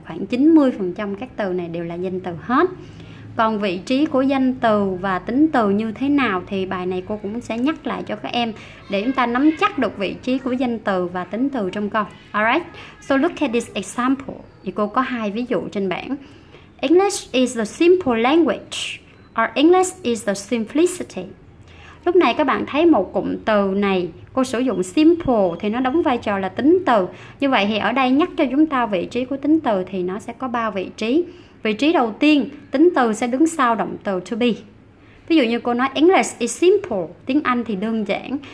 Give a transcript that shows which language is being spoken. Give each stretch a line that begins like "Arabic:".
Vietnamese: Khoảng 90% các từ này đều là danh từ hết. Còn vị trí của danh từ và tính từ như thế nào thì bài này cô cũng sẽ nhắc lại cho các em để chúng ta nắm chắc được vị trí của danh từ và tính từ trong câu.
English: Alright, so look at this example.
Vietnamese: Thì cô có hai ví dụ trên bảng.
English: English is the simple language or English is the simplicity.
Vietnamese: Lúc này các bạn thấy một cụm từ này, cô sử dụng simple thì nó đóng vai trò là tính từ. Như vậy thì ở đây nhắc cho chúng ta vị trí của tính từ thì nó sẽ có 3 vị trí. Vị trí đầu tiên, tính từ sẽ đứng sau động từ to be. Ví dụ như cô nói
English: English is simple,
Vietnamese: tiếng Anh thì đơn giản.